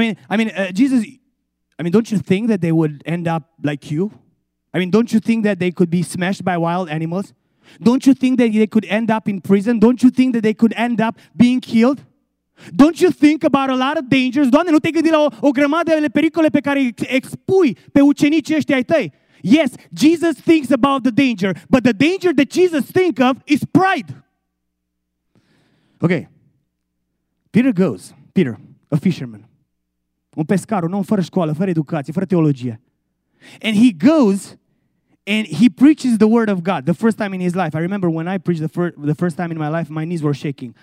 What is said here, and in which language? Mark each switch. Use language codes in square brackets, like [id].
[en] I mean, don't you think that they would end up like you? I mean, don't you think that they could be smashed by wild animals? Don't you think that they could end up in prison? Don't you think that they could end up being killed? Don't you think about a lot of dangers? [ro] Doamne, nu te gândi la o grămadă de pericole pe care expui pe ucenicii ăștia ai tăi? [en] Yes, Jesus thinks about the danger, but the danger that Jesus thinks of is pride. Okay, Peter, a fisherman, [ro] un pescar, un om fără școală, fără educație, fără teologie, [en] and he goes and he preaches the word of God the first time in his life. I remember when I preached the first time in my life, my knees were shaking.